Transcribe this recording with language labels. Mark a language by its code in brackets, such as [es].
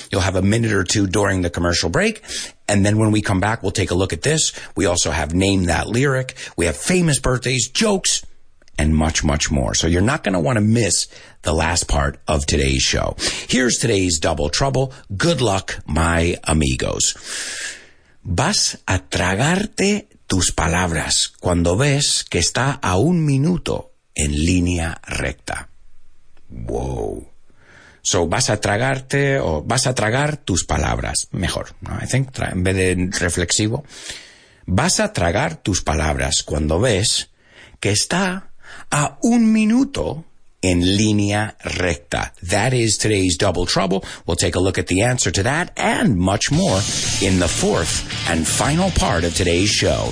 [en] You'll have a minute or two during the commercial break. And then when we come back, we'll take a look at this. We also have Name That Lyric. We have famous birthdays, jokes, and much, much more. So you're not going to want to miss the last part of today's show. Here's today's double trouble. Good luck, my amigos. [es] Vas a tragarte tus palabras cuando ves que está a un minuto en línea recta. [en] Whoa. So [es] vas a tragarte o vas a tragar tus palabras. Mejor, ¿no? [en] I think, [es] en vez de reflexivo. Vas a tragar tus palabras cuando ves que está a un minuto en línea recta. [en] That is today's double trouble. We'll take a look at the answer to that and much more in the fourth and final part of today's show.